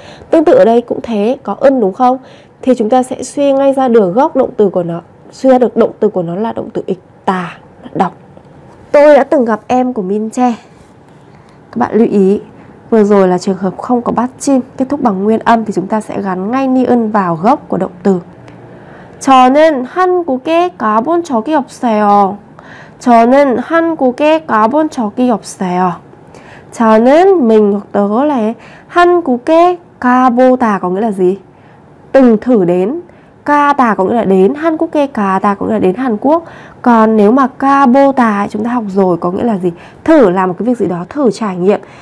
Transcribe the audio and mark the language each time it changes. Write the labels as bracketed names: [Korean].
[Vietnamese] Tương tự ở đây cũng thế, có 은 đúng không? Thì chúng ta sẽ suy ngay ra được gốc động từ của nó, suy ra được động từ của nó là động từ 있다, đọc. Tôi đã từng gặp em của 민채. Các bạn lưu ý, vừa rồi là trường hợp không có bát chim, kết thúc bằng nguyên âm thì chúng ta sẽ gắn ngay 니은 vào gốc của động từ. [Korean] 저는 한국에 가본 적이 없어요. 저는 한국에 가본 적이 없어요. [Vietnamese] 저는 mình hoặc tớ là [Korean] 한국에 가보다 [Vietnamese] có nghĩa là gì? Từng thử đến. 가다 có nghĩa là đến. [Korean] 한국에 가다 [Vietnamese] có nghĩa là đến Hàn Quốc. Còn nếu mà 가보다 chúng ta học rồi có nghĩa là gì? Thử làm một cái việc gì đó, thử trải nghiệm.